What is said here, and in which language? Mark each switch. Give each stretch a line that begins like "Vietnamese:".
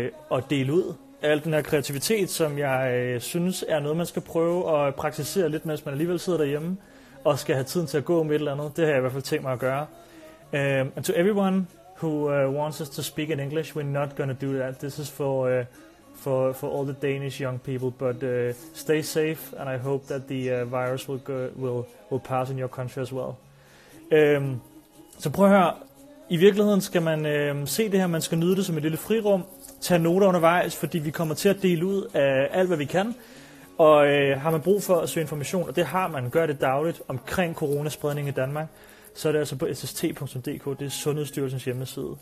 Danish: og dele ud al den her kreativitet, som jeg synes er noget, man skal prøve at praktisere lidt, mens man alligevel sidder derhjemme og skal have tiden til at gå med et eller andet. Det har jeg i hvert fald tænkt mig at gøre.
English: And to everyone who wants us to speak in English, we're not gonna do that. This is for all the Danish young people, but stay safe, and I hope that the virus will pass in your country as well.
Danish: Så prøv at høre, i virkeligheden skal man se det her, man skal nyde det som et lille frirum, tage noter undervejs, fordi vi kommer til at dele ud af alt, hvad vi kan, og har man brug for at søge information, og det har man, gør det dagligt omkring coronaspredningen i Danmark, så er det altså på sst.dk, det er Sundhedsstyrelsens hjemmeside.